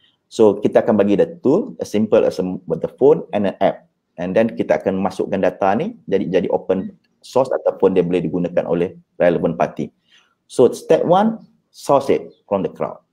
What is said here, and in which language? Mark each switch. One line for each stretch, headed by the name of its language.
English: So
Malay: kita akan bagi
English: the tool, as simple as with the phone and an app.
Malay: And then kita akan masukkan data ni, jadi open source ataupun dia boleh digunakan oleh
English: relevant party. So step one, source it from the crowd.